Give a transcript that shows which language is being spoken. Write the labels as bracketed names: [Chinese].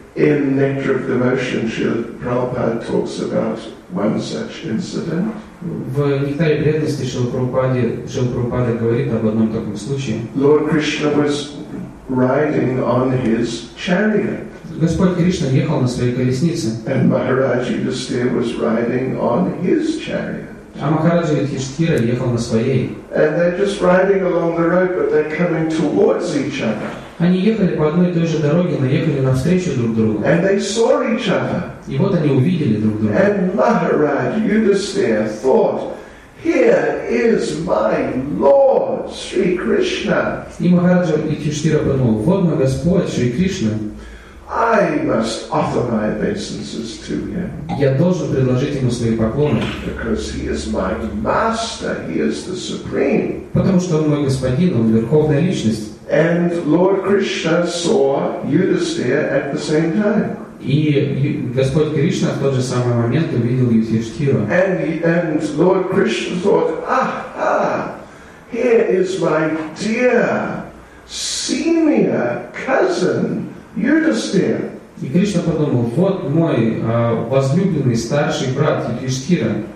[English] In Nectar of Devotion, Srila Prabhupada talks about one such incident. [Russian] В Нектаре преданности Шрила Прабхупада говорит об одном таком случае. [English] Lord Krishna was riding on his chariot. [Russian] Господь Кришна ехал на своей колеснице. [English] And Maharaj Yudhisthira was riding on his chariot. [Russian] А Махараджа Юдхиштхира ехал на своей. [English] And they're just riding along the road, but they're coming towards each other. [Russian] Они ехали по одной и той же дороге, но ехали навстречу друг другу. [English] And they saw each other. [Russian] И вот они увидели друг друга. [English] And Maharaj Yudhisthira thought, here is my Lord, Sri Krishna. [Russian] И Махараджа Юдхиштхира подумал, вот мой Господь, Шри Кришна. [English] I must offer my obeisances to him. [Russian] Я должен предложить ему свои поклоны. [English] Because he is my master, he is the supreme. [Russian] Потому что он мой господин, он верховная личность. [English] And Lord Krishna saw Yudhisthira at the same time. [Russian] И Господь Кришна в тот же самый момент увидел Юдхиштхиру. [English] And Lord Krishna thought, aha, here is my dear senior cousin. [Russian] И Кришна подумал, вот мой возлюбленный старший брат Юдхиштхира.